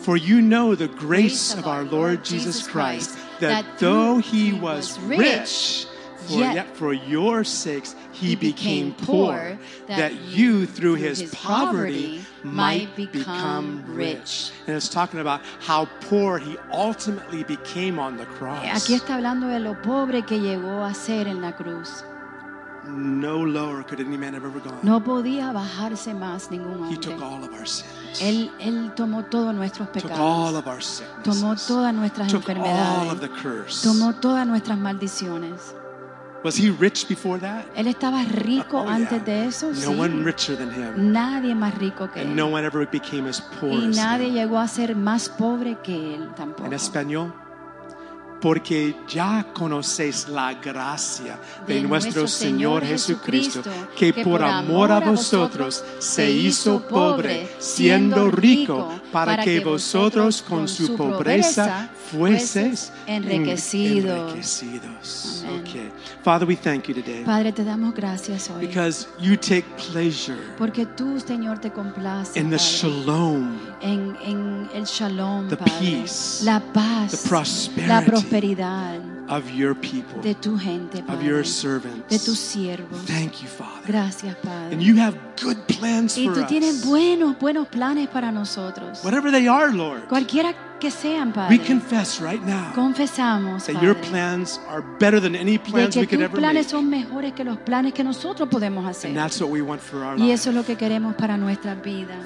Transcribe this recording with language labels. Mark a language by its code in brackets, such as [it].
[en] For you know the grace of our Lord Jesus Christ, that though he was rich, yet for your sakes he became poor, that you through his poverty might become rich. And it's talking about how poor he ultimately became on the cross. [es] Aquí está hablando de lo pobre que llegó a ser en la cruz. [en] No lower could any man have ever gone. [es] No podía bajarse más ningún hombre. [en] He took all of our sins. [es] Él tomó todos nuestros pecados. [en] Took all of our sicknesses. [es] Tomó todas nuestras enfermedades. [en] Took all of the curse. [es] Tomó todas nuestras maldiciones. [en] Was he rich before that? [es] Él estaba rico antes de eso. [en] No one richer than him. [es] Nadie más rico que él. [en] And no one ever became as poor as him. [es] Y nadie llegó a ser más pobre que él tampoco. En español. Porque ya conocéis la gracia de nuestro Señor Jesucristo, que por amor a vosotros se hizo pobre, siendo rico, para que vosotros con su pobreza fueseis enriquecidos. [en] Okay. Father, we thank you today. [es] Padre, te damos gracias hoy. [en] Because you take pleasure. [es] Porque tú, Señor, te complaces. [en] In the shalom. [es] En el shalom, [en] the peace. [es] La paz. [en] The prosperity. [es] La prosperidad. [en] Of your people. [es] De tu gente, Padre. [en] Of your servants. [es] De tus siervos. [en] Thank you, Father. [es] Gracias, Padre. [en] And you have good plans for us. [es] Y tú tienes buenos planes para nosotros. [en] Whatever they are, Lord. [es] Cualquiera que sean, Padre. [en] We confess right now. [es] Confesamos, [en] Padre. That your plans are better than any plans we could ever make. [es] De que tus planes son mejores que los planes que nosotros podemos hacer. [en] And that's what we want for our lives. [es] Y eso es lo que queremos para nuestras vidas.